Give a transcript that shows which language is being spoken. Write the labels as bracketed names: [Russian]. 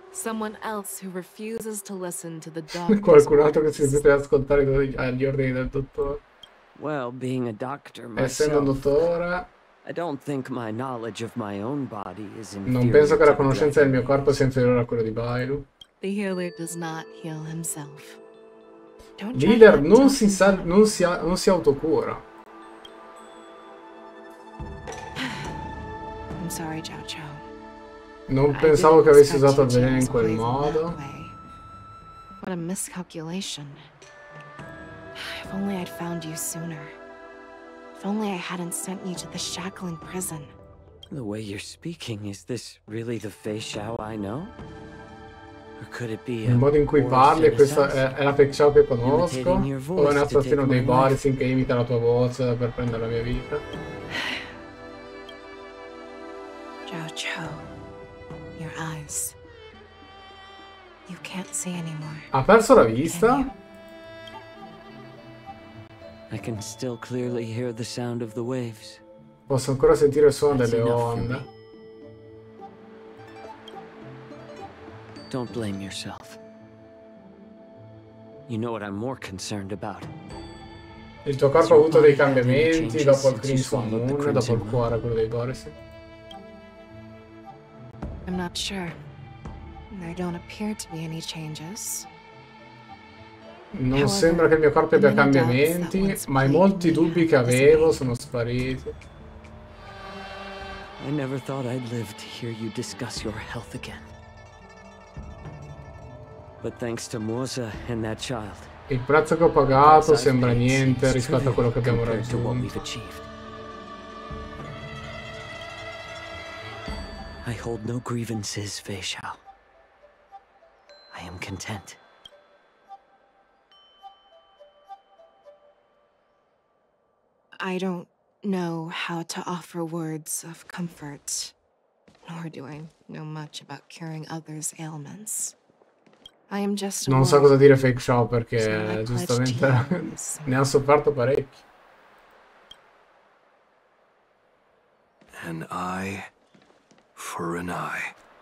[English] Someone else who refuses to listen to the doctor. [Italian] Qualcun altro che si rifiuta di ascoltare gli ordini del dottore. [English] Well, being a doctor myself, [Italian] essendo un dottore, [English] I don't think my knowledge of my own body is inferior. [Italian] Non penso che la conoscenza del mio corpo sia inferiore a quella di Bailu. [English] The healer does not heal himself. [Italian] Leader non si sa, non si autocura. [English] I'm sorry, Zhao Zhao. [Italian] Non pensavo che avessi usato il veleno in quel modo. [English] What a miscalculation. If only I'd found you sooner. If only I hadn't sent you to the shackling prison. The way you're speaking, is this really the Feixiao I know? Or could it be a... [Italian] Il modo in cui parli, questa è la Feixiao che conosco? O è un assassino dei Boris che imita la tua voce per prendere la mia vita? [English] Zhao Zhao. Your eyes. You can't see anymore. [Italian] Ha perso la vista? [English] I can still clearly hear the sound of the waves. [Italian] Posso ancora sentire il suono delle onde. [English] Don't blame yourself. You know what I'm more concerned about. [Italian] Il tuo corpo ha avuto dei cambiamenti dopo il Crimson Moon, dopo il cuore quello dei Boris. [English] I'm not sure. There don't appear to be any changes. [Italian] Non sembra che il mio corpo abbia cambiamenti, ma i molti dubbi che avevo sono spariti. [English] I never thought I'd live to hear you discuss your health again. But thanks to Mosa and that child. [Italian] Il prezzo che ho pagato sembra niente rispetto a quello che abbiamo raggiunto. [English] I hold no grievances, Feixiao. I am content. I don't know how to offer words of comfort, nor do I know much about curing others' ailments. I am just [Italian] non so cosa dire Feixiao perché giustamente ne ha sofferto parecchio. [English] And I for an eye.